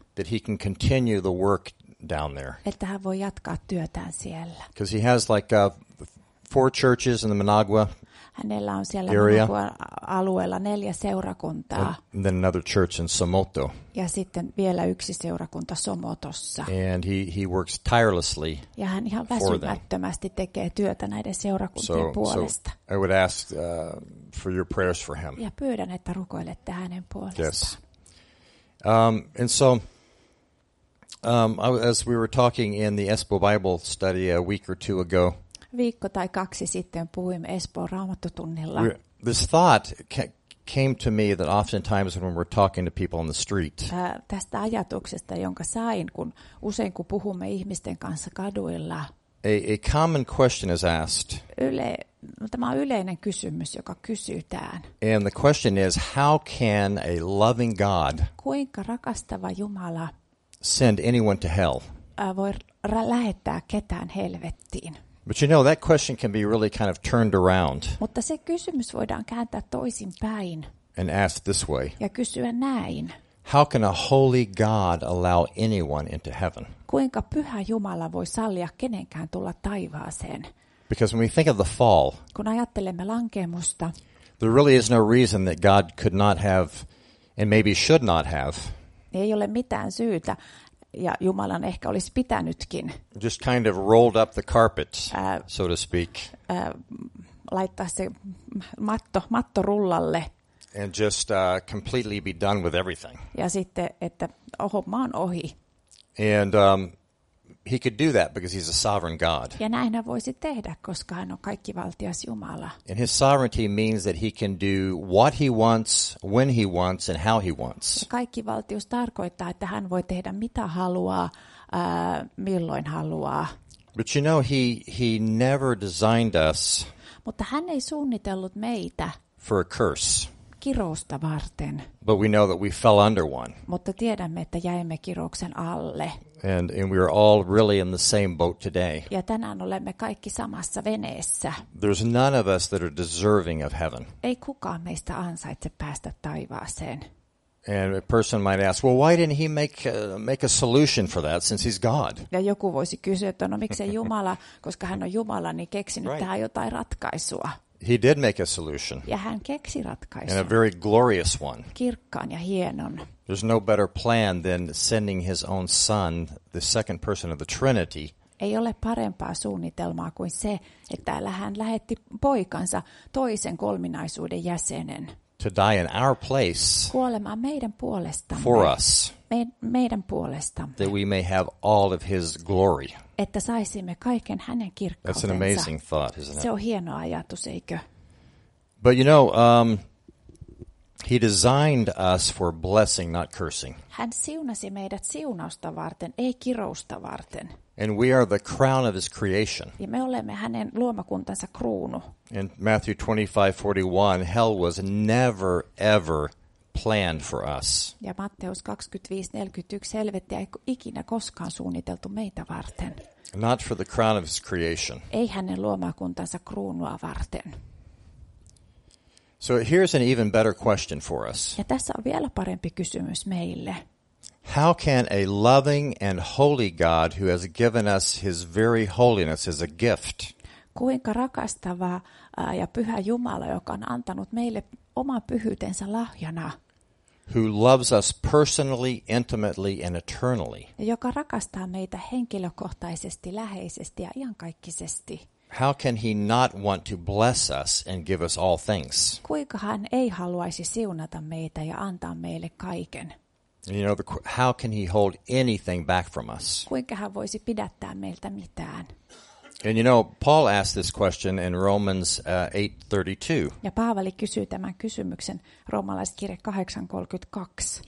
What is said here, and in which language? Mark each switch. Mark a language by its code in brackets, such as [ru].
[en] That he can continue the work down there. [fi] Että hän voi jatkaa työtään siellä. [en] Because he has like 4 churches in the Managua. [fi] Hänellä on siellä alueella 4 seurakuntaa. [en] And then another church in Somoto. [fi] Ja sitten vielä yksi seurakunta Somotossa. [en] And he works tirelessly for them. [fi] Ja hän ihan väsymättömästi tekee työtä näiden seurakuntien puolesta. [en] So I would ask for your prayers for him. [fi] Ja pyydän, että rukoilette hänen puolestaan. [en] Yes. And so as we were talking in the Espoo Bible study a week or two ago, [fi] viikko tai kaksi sitten puhuimme Espoon raamattotunnilla. [en] This thought came to me that oftentimes when we're talking to people on the street. [fi] Tästä ajatuksesta, jonka sain, kun usein kun puhumme ihmisten kanssa kaduilla. [en] A common question is asked. [fi] Tämä on yleinen kysymys, joka kysytään. [en] And the question is, how can a loving God [fi] kuinka rakastava Jumala [en] send anyone to hell? [fi] Voi lähettää ketään helvettiin. [en] But you know, that question can be really kind of turned around. [fi] Mutta se kysymys voidaan kääntää toisin päin. [en] And ask this way. [fi] Ja kysyä näin. [en] How can a holy God allow anyone into heaven? [fi] Kuinka pyhä Jumala voi sallia kenenkään tulla taivaaseen? [en] Because when we think of the fall, [fi] kun ajattelemme lankemusta, [en] there really is no reason that God could not have, and maybe should not have, [fi] ei ole mitään syytä, ja Jumalan ehkä olisi pitänytkin [en] just kind of rolled up the carpet, so to speak, [fi] laittaa se matto rullalle [en] and just completely be done with everything. [fi] Ja sitten, että oho, maan ohi. [en] And he could do that because he's a sovereign God. [fi] Ja näin hän voisi tehdä, koska hän on kaikkivaltias Jumala. [en] And his sovereignty means that he can do what he wants, when he wants, and how he wants. [fi] Ja kaikkivaltius tarkoittaa, että hän voi tehdä mitä haluaa, milloin haluaa. [en] But you know, he never designed us. [fi] Mutta hän ei suunnitellut meitä [en] for a curse. [fi] Kirousta varten. [en] But we know that we fell under one. [fi] Mutta tiedämme, että jäimme kirouksen alle. [en] And we are all really in the same boat today. [fi] Ja tänään olemme kaikki samassa veneessä. [en] There's none of us that are deserving of heaven. [fi] Ei kukaan meistä ansaitse päästä taivaaseen. [en] And a person might ask, well, why didn't he make a solution for that since he's God? [fi] Ja joku voisi kysyä, että no miksei Jumala, koska hän on Jumala, niin keksinyt right. Tähän jotain ratkaisua. [en] He did make a solution. [fi] Ja hän keksi ratkaisun. [en] And a very glorious one. [fi] Kirkkaan ja hienon. [en] There's no better plan than sending his own son, the second person of the Trinity. [fi] Ei ole parempaa suunnitelmaa kuin se, että täällä hän lähetti poikansa, toisen kolminaisuuden jäsenen. [en] To die in our place. [fi] Kuolemaan meidän puolestamme. [en] For us. [fi] Meidän puolestamme. [en] That we may have all of his glory. [fi] Että saisimme kaiken hänen kirkkautensa. [en] That's an amazing thought, isn't it? [fi] Se on hieno ajatus, eikö? [en] But you know, he designed us for blessing, not cursing. [fi] Hän siunasi meidät siunausta varten, ei kirousta varten. [en] And we are the crown of his creation. [fi] Ja me olemme hänen luomakuntansa kruunu. [en] In Matthew 25:41, hell was never ever planned for us. [fi] Ja Matteus 25:41, helvettiä ei ikinä koskaan suunniteltu meitä varten. [en] Not for the crown of his creation. [fi] Ei hänen luomakuntansa kruunua varten. [en] So here's an even better question for us. [fi] Ja tässä on vielä parempi kysymys meille. [en] How can a loving and holy God who has given us his very holiness as a gift? [fi] Kuinka rakastava ja pyhä Jumala, joka on antanut meille oman pyhyytensä lahjana. [en] Who loves us personally, intimately and eternally. [fi] Joka rakastaa meitä henkilökohtaisesti, läheisesti ja iankaikkisesti. [en] How can he not want to bless us and give us all things? [fi] Kuinka hän ei haluaisi siunata meitä ja antaa meille kaiken? [en] You know, how can he hold anything back from us? [fi] Kuinka hän voisi pidättää meiltä mitään? [en] And you know, Paul asked this question in Romans 8:32. [fi] Ja Paavali kysyy tämän kysymyksen roomalaiskirje 8:32.